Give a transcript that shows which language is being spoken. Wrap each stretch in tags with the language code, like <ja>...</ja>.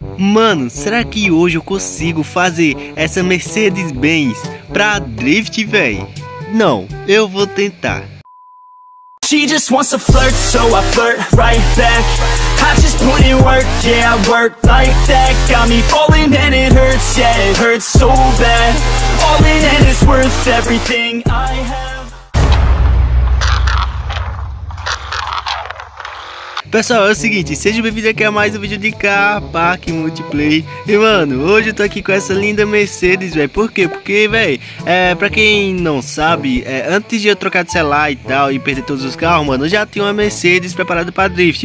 <pt>Mano, será que hoje eu consigo fazer essa Mercedes-Benz pra drift, véi? Não, eu vou tentar.</pt> <en>She just wants to flirt, so I flirt right back. I just put in work, yeah, work like that. Got me falling and it hurts, yeah, it hurts so bad. Falling and it's worth everything I have.</en> <pt>Pessoal, é o seguinte, seja bem-vindo aqui a mais um vídeo de carro, parque, multiplay. E mano, hoje eu tô aqui com essa linda Mercedes, velho. Por quê? Porque, velho, pra quem não sabe, antes de eu trocar de celular e tal e perder todos os carros, mano, eu já tinha uma Mercedes preparada pra drift.</pt>